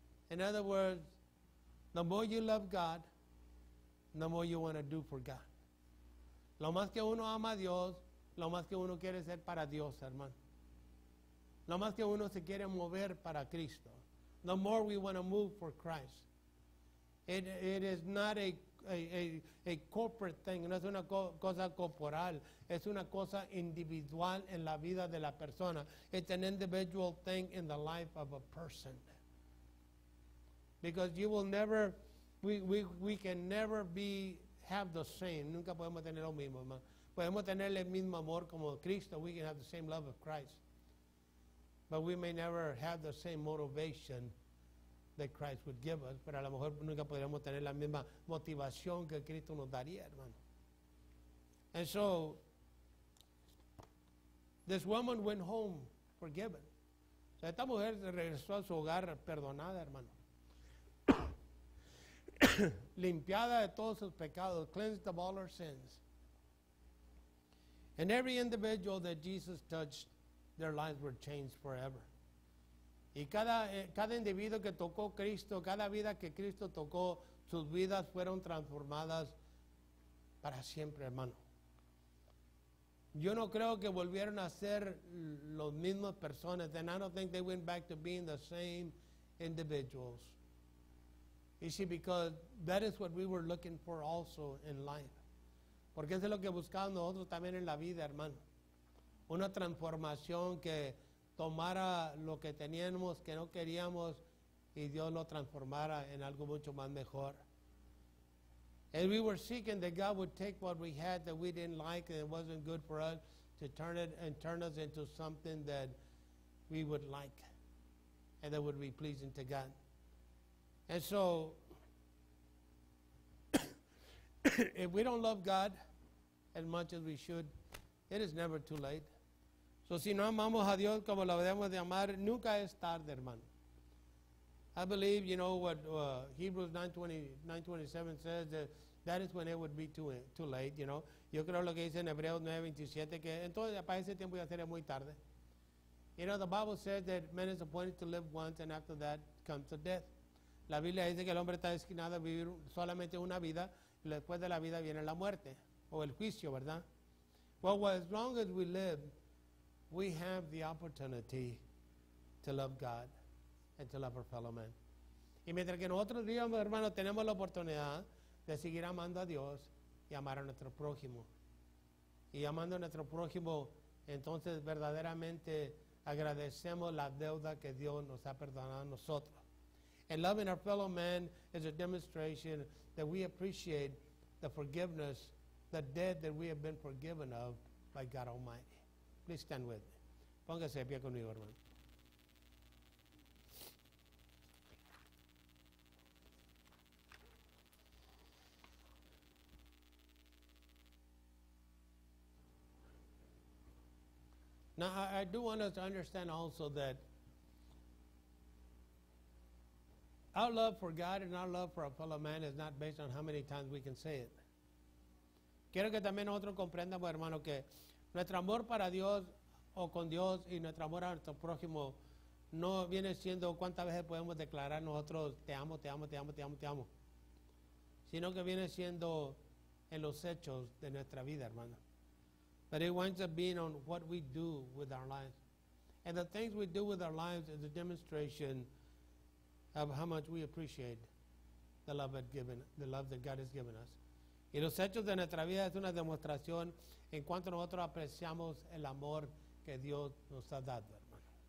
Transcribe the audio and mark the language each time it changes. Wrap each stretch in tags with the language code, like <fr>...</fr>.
<en>In other words, the more you love God, the more you want to do for God.</en> <es>Lo más que uno ama a Dios, lo más que uno quiere ser para Dios, hermano. Lo más que uno se quiere mover para Cristo.</es> <en>The more we want to move for Christ. It is not a corporate thing.</en> <es>No es una cosa corporal. Es una cosa individual en la vida de la persona.</es> <en>It's an individual thing in the life of a person. Because you will never, we can never be, have the same.</en> <es>Nunca podemos tener lo mismo, hermano. Podemos tener el mismo amor como Cristo.</es> <en>We can have the same love of Christ. But we may never have the same motivation that Christ would give us.</en> <es>Pero a lo mejor nunca podríamos tener la misma motivación que Cristo nos daría, hermano.</es> <en>And so, this woman went home forgiven.</en> <es>So esta mujer regresó a su hogar perdonada, hermano. Limpiada de todos sus pecados,</es> <en>cleansed of all her sins. And every individual that Jesus touched, their lives were changed forever.</en> <es>Y cada individuo que tocó Cristo, cada vida que Cristo tocó, sus vidas fueron transformadas para siempre, hermano. Yo no creo que volvieron a ser los mismos personas.</es> <en>Then I don't think they went back to being the same individuals. You see, because that is what we were looking for also in life.</en> <es>Porque eso es lo que buscábamos nosotros también en la vida, hermano. Una transformación que tomara lo que teníamos, que no queríamos, y Dios lo transformara en algo mucho más mejor.</es> <en>And we were seeking that God would take what we had that we didn't like and it wasn't good for us to turn it and turn us into something that we would like and that would be pleasing to God. And so, if we don't love God as much as we should, it is never too late.</en> <es>So, si no amamos a Dios como lo debemos de amar, nunca es tarde, hermano.</es> <en>I believe, you know, what Hebrews 9:27 says, that is when it would be too late, you know.</en> <es>Yo creo lo que dice en Hebreos 9:27, que entonces para ese tiempo ya sería muy tarde.</es> <en>You know, the Bible says that man is appointed to live once and after that comes to death.</en> <es>La Biblia dice que el hombre está destinado a vivir solamente una vida, y después de la vida viene la muerte, o el juicio, ¿verdad?</es> <en>Well, as long as we live, we have the opportunity to love God and to love our fellow man.</en> <es>Y mientras que nosotros vivamos, hermano, tenemos la oportunidad de seguir amando a Dios y amar a nuestro prójimo. Y amando a nuestro prójimo, entonces verdaderamente agradecemos la deuda que Dios nos ha perdonado a nosotros.</es> <en>And loving our fellow man is a demonstration that we appreciate the forgiveness, the debt that we have been forgiven of by God Almighty. Please stand with me.</en> <es>Póngase de pie conmigo, hermano.</es> <en>Now, I do want us to understand also that our love for God and our love for our fellow man is not based on how many times we can say it.</en> <es>Quiero que también nosotros comprendamos, hermano, que nuestro amor para Dios o con Dios y nuestro amor a nuestro prójimo no viene siendo cuántas veces podemos declarar nosotros te amo, te amo, te amo, te amo, te amo. Sino que viene siendo en los hechos de nuestra vida, hermano.</es> <en>But it winds up being on what we do with our lives. And the things we do with our lives is a demonstration of how much we appreciate the love that God has given us.</en> <es>Y los hechos de nuestra vida es una demostración en cuanto nosotros apreciamos el amor que Dios nos ha dado, hermano.</es>